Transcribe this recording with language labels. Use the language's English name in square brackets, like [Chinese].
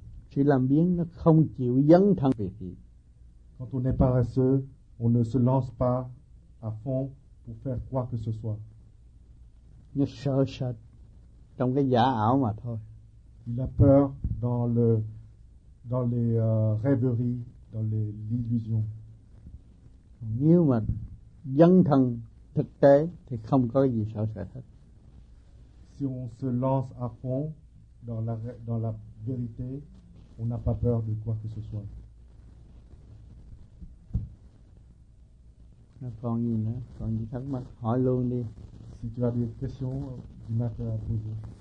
[Vietnamese] Sự làm biến nó không chịu dấn thân về gì. [French] Quand on est paresseux, on ne se lance pas à fond pour faire quoi que ce soit. [Vietnamese] Nó sợ sệt trong cái giả ảo mà thôi. [French] Il a peur dans le dans les rêveries, dans les illusions. [Vietnamese] Nếu mà dấn thân thực tế thì không có gì sợ sợ hết. [French] Si on se lance à fond dans la vérité, on n'a pas peur de quoi que ce soit. [Vietnamese] Còn gì nữa? Còn gì thắc mắc? Hỏi luôn đi. [French] Si tu as des questions, tu m'as fait à poser.